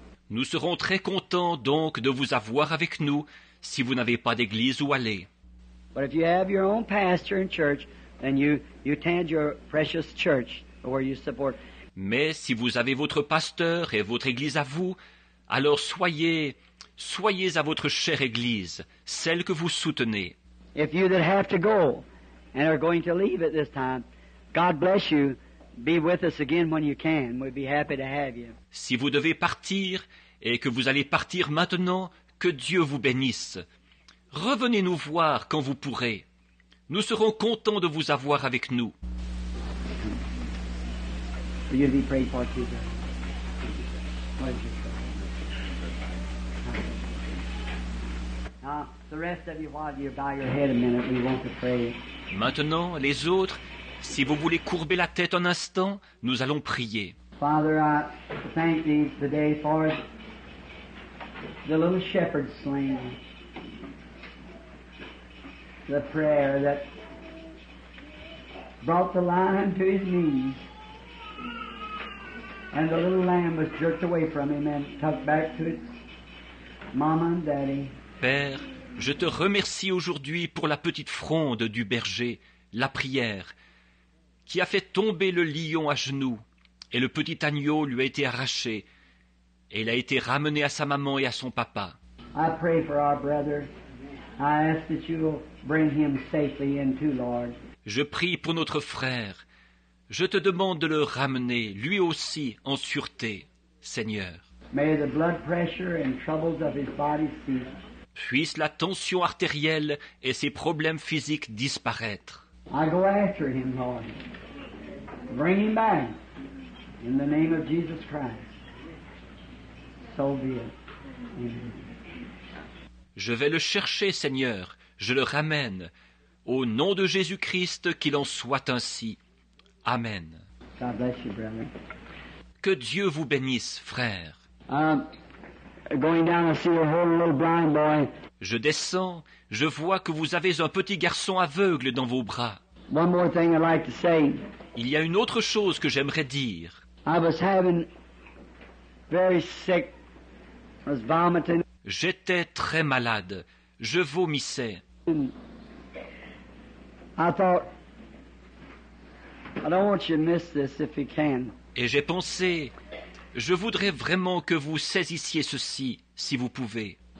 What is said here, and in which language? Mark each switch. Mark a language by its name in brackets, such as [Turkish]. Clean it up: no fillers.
[French] Nous serons très contents donc de vous avoir avec nous si vous n'avez pas d'église où aller. [English] But if you have your own pastor in church, then you attend your precious church where you support. [French] Mais si vous avez votre pasteur et votre église à vous, alors soyez à votre chère église, celle que vous soutenez. [English] If you that have to go and are going to leave at this time, God bless you. Be with us again when you can. We'd be happy to have you. [French] Si vous devez partir et que vous allez partir maintenant, que Dieu vous bénisse. Revenez nous voir quand vous pourrez. Nous serons contents de vous avoir avec nous. [English] You'll be prayed for too, sir. The rest of you, while you bow your head a minute, we want to pray. [French] Maintenant, les autres, si vous voulez courber la tête un instant, nous allons prier. [English] Father, I thank thee today for the little shepherd slain. The prayer that brought the lion to his knees. And the little lamb was jerked away from him and tucked back to its mama and daddy. [French] Père, je te remercie aujourd'hui pour la petite fronde du berger, la prière, qui a fait tomber le lion à genoux, et le petit agneau lui a été arraché, et il a été ramené à sa maman et à son papa. [English] I pray for our brother. I ask that you will bring him safely in too, Lord. [French] Je prie pour notre frère. Je te demande de le ramener, lui aussi, en sûreté, Seigneur. [English] May the blood pressure and troubles of his body cease. [French] Puisse la tension artérielle et ses problèmes physiques disparaître. [English] I go after him, Lord. Bring him back in the name of Jesus Christ. So be it. Amen. [French] Je vais le chercher, Seigneur. Je le ramène. Au nom de Jésus-Christ, qu'il en soit ainsi. [English] Amen. God bless you, brother. [French] Que Dieu vous bénisse, frère. [English] Going down to see a whole little blind boy. [French] Je descends, je vois que vous avez un petit garçon aveugle dans vos bras. [English] One more thing I'd like to say. [French] Il y a une autre chose que j'aimerais dire. [English] I was having very sick. I was vomiting. [French] J'étais très malade. Je vomissais. [English] And I thought, I don't want you to miss this if you can. [French] Et j'ai pensé, je voudrais vraiment que vous saisissiez ceci, si vous pouvez.